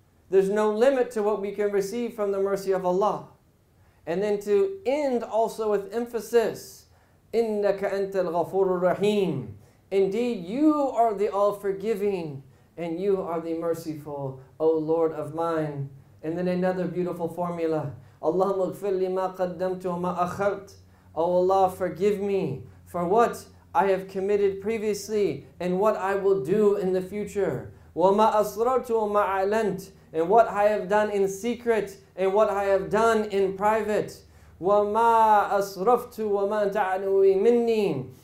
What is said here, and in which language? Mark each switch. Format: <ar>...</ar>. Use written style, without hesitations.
<en>There's no limit to what we can receive from the mercy of Allah. And then to end also with emphasis,</en> <ar>إِنَّكَ أَنْتَ الْغَفُورُ الرَّحِيمُ.</ar> <en>Indeed, you are the all-forgiving and you are the merciful, O Lord of mine. And then another beautiful formula,</en> <ar>اللَّهُمَّ اغْفِرْ لِي مَا قَدَّمْتُ وَمَا أَخَرْتُ.</ar> <en>O Allah, forgive me for what I have committed previously and what I will do in the future.</en> <ar>وَمَا أَصْرَرْتُ وَمَا أَعْلَنْتُ.</ar> <en>And what I have done in secret and what I have done in private.</en> <ar>وَمَا أَسْرَفْتُ وَمَا تَعْنُوِي مِنِّي.</ar>